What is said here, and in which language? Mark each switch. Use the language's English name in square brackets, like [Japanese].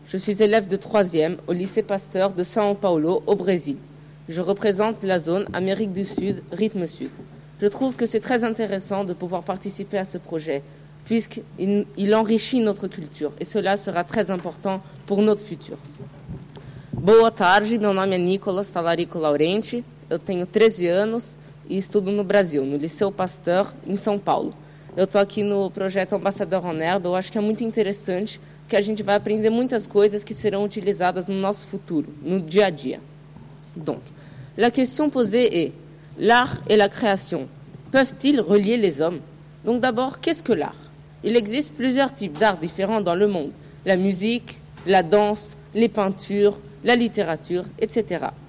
[French] Je suis élève de 3e au lycée Pasteur de São Paulo, au Brésil. Je représente la zone Amérique du Sud, Rythme Sud. Je trouve que c'est très intéressant de pouvoir participer à ce projet, puisqu'il enrichit notre culture, et cela sera très important pour notre futur. [Portuguese] Boa tarde, meu nome é Nicolas Talarico-Laurenti. Eu tenho 13 anos e estudo no Brasil, no Liceu Pasteur, em São Paulo. Eu estou aqui no projeto Ambassador en Herbe. Eu acho que é muito interessante, que a gente vai aprender muitas coisas que serão utilizadas no nosso futuro, no dia a dia. [French] Donc, la question posée est, l'art et la création peuvent-ils relier les hommes? Donc d'abord, qu'est-ce que l'art? Il existe plusieurs types d'art différents dans le monde. La musique, la danse, les peintures, la littérature, etc.